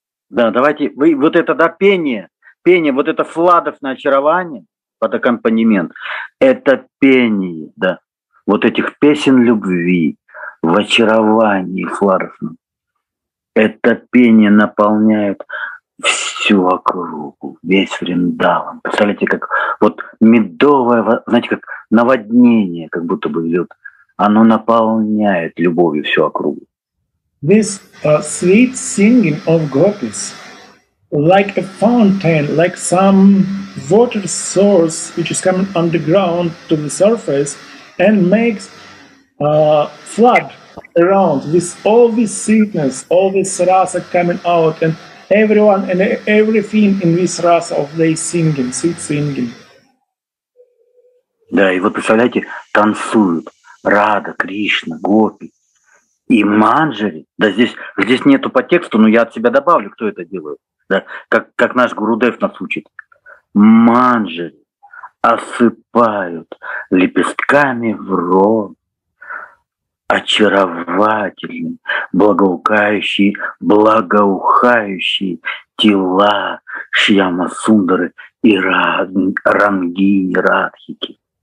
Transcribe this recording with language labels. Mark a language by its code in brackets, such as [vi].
[ru] Да, давайте, вот это, да, пение, вот это фладовное очарование под аккомпанемент, это пение, да, вот этих песен любви в очаровании фладовном, это пение наполняет всю округу, весь Вриндаван. Представляете, как вот медовое, знаете, как наводнение, как будто бы идет, оно наполняет любовью всю округу. [en] This sweet singing of gopis, like a fountain, like some water source which is coming underground to the surface and makes flood around with all this sweetness, all this rasa coming out, and everyone and everything in this rasa of their singing, sweet singing. [ru] Да, и вот представляете, танцуют Рада, Кришна, гопи. И Манджари, да, здесь нету по тексту, но я от себя добавлю, кто это делает, да, как наш Гурудев нас учит. Манджари осыпают лепестками в рот очаровательные, благоухающие тела Шьяма Сундары и Рангини Радхики.